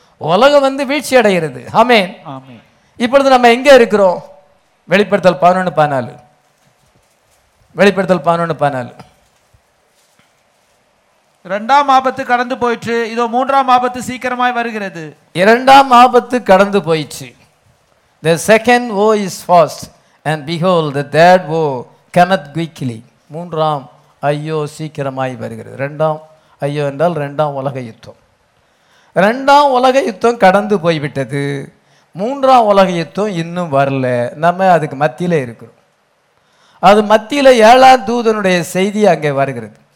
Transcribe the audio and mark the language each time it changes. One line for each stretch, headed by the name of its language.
Tamil: உலகம் வந்து வீழ்ச்சி அடைகிறது. ஆமென். இப்பொழுது நம்ம எங்கே இருக்கிறோம்? வெளிப்படுத்தல் 11:14. வெளிப்படுத்தல் 11:14. இரண்டாம் ஆபத்து கடந்து போயிற்று, இதோ மூன்றாம் ஆபத்து சீக்கிரமாய் வருகிறது. இரண்டாம் ஆபத்து கடந்து போயிற்று.
English: The second woe is fast, and behold, the third woe cometh quickly.
Tamil: மூன்றாம் ஐயோ சீக்கிரமாய் வருகிறது. இரண்டாம் ஐயோ என்றால் இரண்டாம் உலக யுத்தம். இரண்டாம் உலக யுத்தம் கடந்து போய்விட்டது, மூன்றாம் உலக யுத்தம் இன்னும் வரல. நம்ம அதுக்கு மத்தியில் இருக்கிறோம். அது மத்தியில் ஏழாம் தூதனுடைய செய்தி அங்கே வருகிறது.